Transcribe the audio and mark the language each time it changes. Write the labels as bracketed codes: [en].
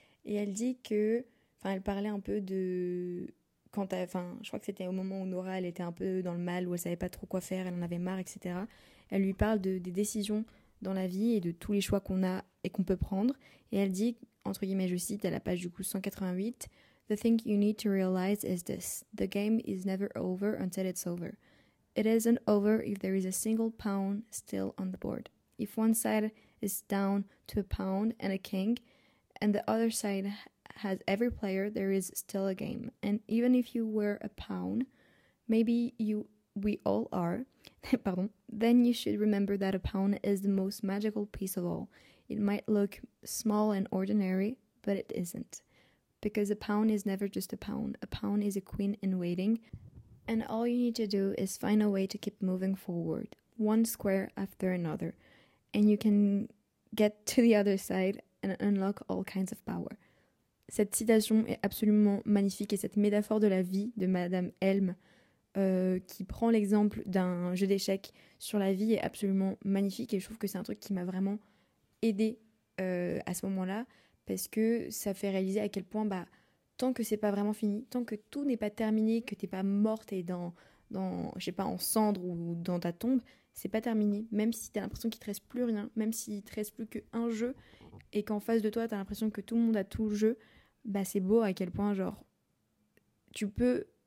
[fr] Et elle dit que, enfin, elle parlait un peu de quand, enfin, je crois que c'était au moment où Nora, elle était un peu dans le mal, où elle savait pas trop quoi faire, elle en avait marre, etc. Elle lui parle des décisions dans la vie et de tous les choix qu'on a et qu'on peut prendre. Et elle dit, entre guillemets, je cite, à la page du coup 188. [en] The thing you need to realize is this: the game is never over until it's over. It isn't over if there is a single pawn still on the board. If one side is down to a pound and a king, and the other side has every player, there is still a game. And even if you were a pawn, maybe you, we all are, pardon, then you should remember that a pawn is the most magical piece of all. It might look small and ordinary, but it isn't. Because a pawn is never just a pawn. A pawn is a queen in waiting. And all you need to do is find a way to keep moving forward, one square after another. And you can get to the other side and unlock all kinds of power. [fr] Cette citation est absolument magnifique et cette métaphore de la vie de Madame Helm qui prend l'exemple d'un jeu d'échecs sur la vie est absolument magnifique et je trouve que c'est un truc qui m'a vraiment aidée à ce moment-là parce que ça fait réaliser à quel point bah, tant que c'est pas vraiment fini, tant que tout n'est pas terminé, que t'es pas morte et dans, je sais pas, en cendres ou dans ta tombe, c'est pas terminé, même si t'as l'impression qu'il te reste plus rien, même s'il te reste plus qu'un jeu et qu'en face de toi t'as l'impression que tout le monde a tout le jeu, bah c'est beau à quel point genre tu peux